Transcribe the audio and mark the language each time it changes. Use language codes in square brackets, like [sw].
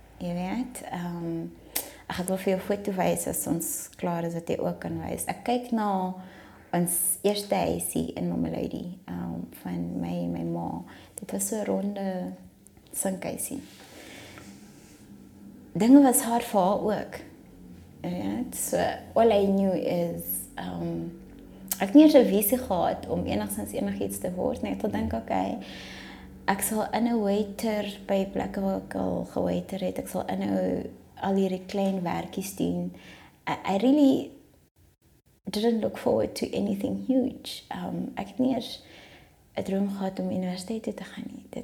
[af] Jy weet, ek het wel vir jou foto wys as ons klaar is wat jy ook kan wys. Ek kyk na ons eerste huisie in Mamelodi van my en my ma. Dit was so 'n ronde sinkhuisie. Dinge was hard vir haar ook. [en] Right. So, all I knew is, [af] ek nie eens een visie gehad om enigszins enig iets te word, net te denk, okay, ek sal in een waiter, by plekke waar ek al gewaiter het, ek sal in al hierdie klein werkies doen. [en] I really didn't look forward to anything huge. [af] Ek het nie eens een droom gehad om universiteit toe te gaan.